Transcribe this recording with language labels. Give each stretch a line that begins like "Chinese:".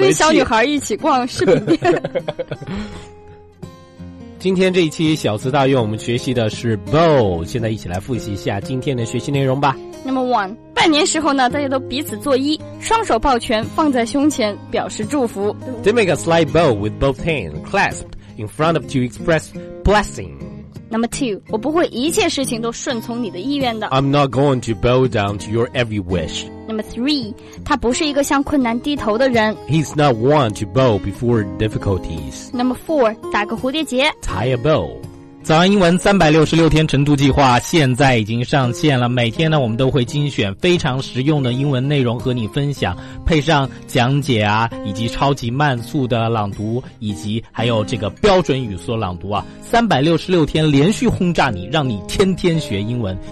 Chinese: 就跟小女孩一起逛饰品店。今天这一期小词大用，我们学习的是 bow， 现在一起来复习一下今天的学习内容吧。
English: Number one，
Chinese: 拜年时候呢，大家都彼此作揖，双手抱拳放在胸前表示祝福。
English: They make a slight bow with both hands clasped in front of to express blessing。 Number two，
Chinese: 我不会一切事情都顺从你的意愿的。
English: I'm not going to bow down to your every wish。 Number three，
Chinese: 他不是一个向困难低头的人。
English: He's not one to bow before difficulties。 Number four，
Chinese: 打个蝴蝶结。
English: Tie a bow。
Chinese: 早安英文366天晨读计划现在已经上线了，每天呢我们都会精选非常实用的英文内容和你分享，配上讲解啊，以及超级慢速的朗读，以及还有这个标准语速朗读啊，366天连续轰炸你，让你天天学英文。